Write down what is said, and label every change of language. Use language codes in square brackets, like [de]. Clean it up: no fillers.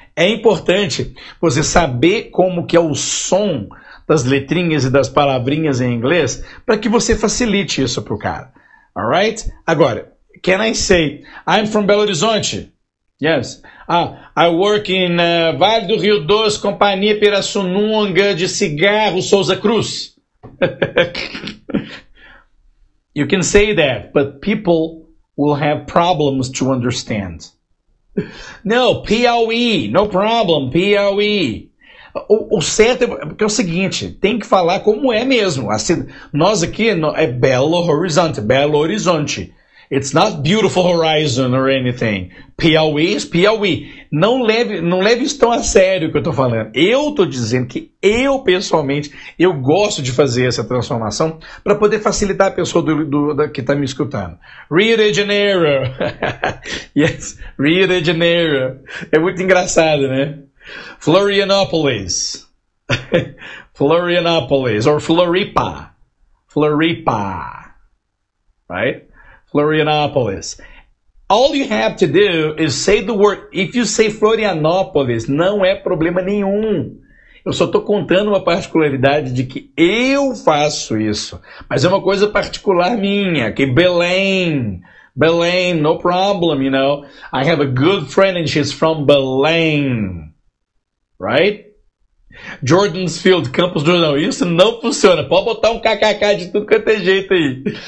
[pt] É importante você saber como que é o som das letrinhas e das palavrinhas em inglês para que você facilite isso pro cara. [en] Alright? Agora, can I say, I'm from Belo Horizonte? Yes. I work in Vale do Rio Doce, Companhia Pirassununga de Cigarro, Souza Cruz. You can say that, but people will have problems to understand. No, Piauí, no problem, Piauí. [pt] O certo é, porque é o seguinte, tem que falar como é mesmo. Assim, nós aqui, é Belo Horizonte, Belo Horizonte. [en] It's not beautiful horizon or anything. Piauí is Piauí. [pt] Não leve isso tão a sério que eu estou falando. Eu estou dizendo que eu, pessoalmente, eu gosto de fazer essa transformação para poder facilitar a pessoa que está me escutando. [en] Rio de Janeiro. Yes, Rio de Janeiro. [pt] É muito engraçado, né? Florianópolis. [en] Florianópolis. Or Floripa. Floripa. Right? [pt] Florianópolis. [en] All you have to do is say the word. If you say [pt] Florianópolis, não é problema nenhum. Eu só estou contando uma particularidade de que eu faço isso. Mas é uma coisa particular minha, que Belém. [en] Belém, no problem, you know. I have a good friend and she's from Belém. Right? Jordan's Field, [pt] Campos do Jordão. Isso não funciona. Pode botar um kkk de tudo quanto é jeito aí.